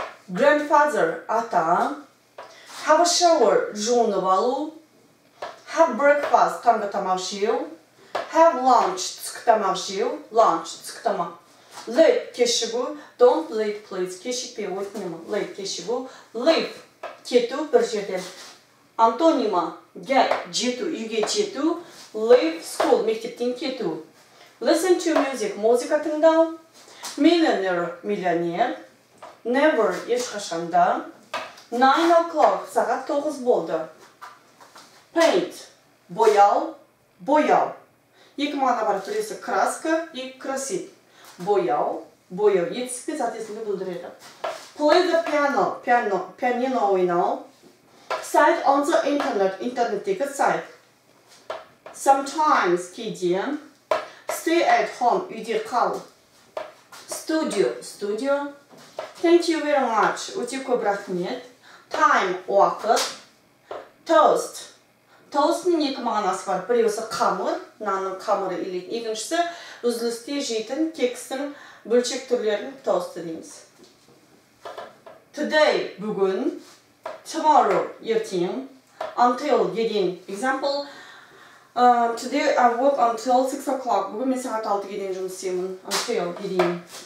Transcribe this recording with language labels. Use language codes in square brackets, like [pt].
[kk] Grandfather, ата. Have a shower, жуынып алу. Have breakfast, таңғы тамақ жеу. Have lunch, түскі тамақ жеу. Lunch, түскі тамақ. Late, кешігу. [en] Don't late, please. [kk] Кешікпе, өтінемі. Late, кешігу. Leave, кету, бір жерде. Антонима, get, жету, үйге жету. Leave, school, мектептен кету. [en] Listen to music. [kk] Музыка тыңдау. [en] Millionaire. Миллионер. Never. [kk] Ешқашанда. 9 o'clock. Сағат 9 болды. Paint. Боял. Боял. Екі мағана бар түресі краска и красит. Боял. Боял. Етіспе затесінде бұлдыреді. [en] Play the piano. Пиано. [kk] Пианино ойнау. [en] Site on the internet. [kk] Интернеттегі сайт. Sometimes. Кейден. [en] Stay at home, [kk] үйде қал. [en] Studio, studio. Thank you very much, [kk] өте көп рахмет. [en] Time, уақыт. Toast. [kk] Toast-ның екі мағанасы бар. Бірі осы қамыр, нанның қамыры елек. Екіншісі, үзілісте жейтін кекстің бөлшек түрлерін toast дейміз. Today, бүгін. Tomorrow, ертең. Until, еден. [en] Example, today I work until 6 o'clock. [kk] Бүгін мен сағат 6-ге дейін жұмыс істеймін. Until, дейін.